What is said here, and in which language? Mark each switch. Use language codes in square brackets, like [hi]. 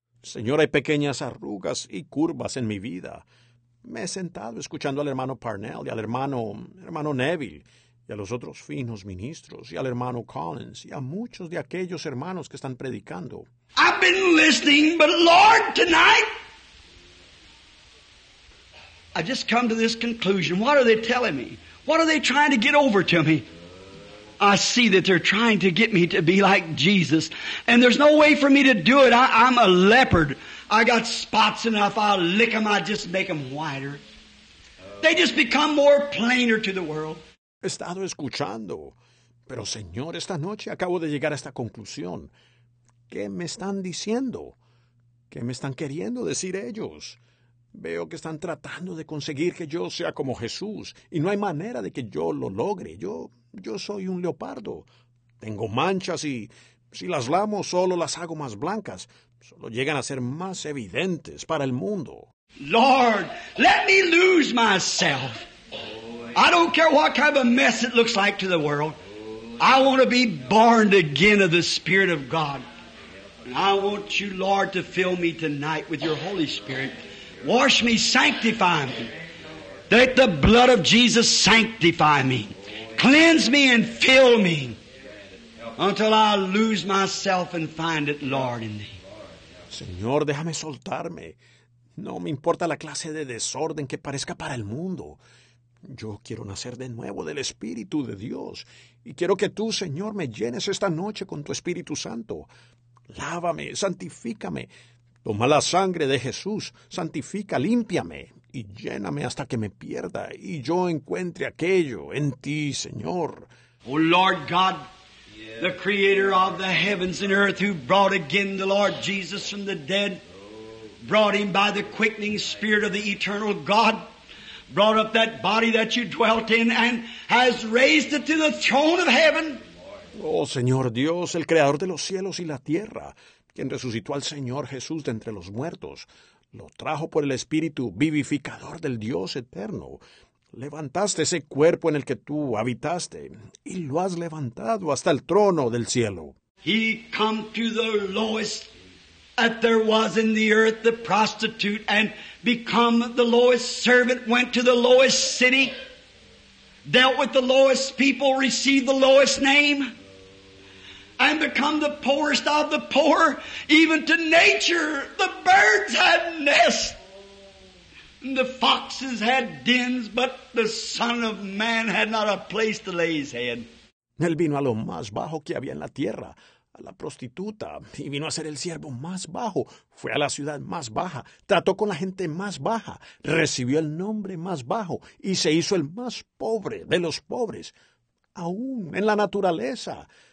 [es] Señor, hay pequeñas arrugas y curvas en mi vida. Me he sentado escuchando al hermano Parnell y al hermano Neville y a los otros finos ministros y al hermano Collins y a muchos de aquellos hermanos que están predicando. [en] I've been listening, but Lord, tonight I just come to this conclusion. What are they telling me? What are they trying to get over to me? I see that they're trying to get me to be like Jesus. And there's no way for me to do it. I'm a leopard. I got spots enough. I'll lick them. I just make them whiter. They just become more plainer to the world. [es] He estado escuchando. Pero, Señor, esta noche acabo de llegar a esta conclusión. ¿Qué me están diciendo? ¿Qué me están queriendo decir ellos? Veo que están tratando de conseguir que yo sea como Jesús. Y no hay manera de que yo lo logre. Yo soy un leopardo. Tengo manchas y si las lamo, solo las hago más blancas. Solo llegan a ser más evidentes para el mundo. [en] Lord, let me lose myself. I don't care what kind of a mess it looks like to the world. I want to be born again of the Spirit of God. And I want you, Lord, to fill me tonight with your Holy Spirit. Wash me, sanctify me. Let the blood of Jesus sanctify me. Cleanse me and fill me until I lose myself and find it, Lord, in thee. [es] Señor, déjame soltarme. No me importa la clase de desorden que parezca para el mundo. Yo quiero nacer de nuevo del Espíritu de Dios. Y quiero que tú, Señor, me llenes esta noche con tu Espíritu Santo. Lávame, santifícame. Toma la sangre de Jesús, santifica, límpiame y lléname hasta que me pierda y yo encuentre aquello en ti, Señor. [en] Oh, Lord God, the creator of the heavens and earth, who brought again the Lord Jesus from the dead, brought him by the quickening spirit of the eternal God, brought up that body that you dwelt in and has raised it to the throne of heaven. [es] Oh, Señor Dios, el creador de los cielos y la tierra, quien resucitó al Señor Jesús de entre los muertos, lo trajo por el Espíritu vivificador del Dios eterno. Levantaste ese cuerpo en el que tú habitaste y lo has levantado hasta el trono del cielo. [en] He came to the lowest that there was in the earth, the prostitute, and become the lowest servant, went to the lowest city, dealt with the lowest people, received the lowest name, and become the poorest of the poor, even to nature. The birds had nests, and the foxes had dens, but the Son of Man had not a place to lay his head. [es] Él vino a lo más bajo que había en la tierra, a la prostituta, y vino a ser el siervo más bajo. Fue a la ciudad más baja, trató con la gente más baja, recibió el nombre más bajo, y se hizo el más pobre de los pobres, aún en la naturaleza.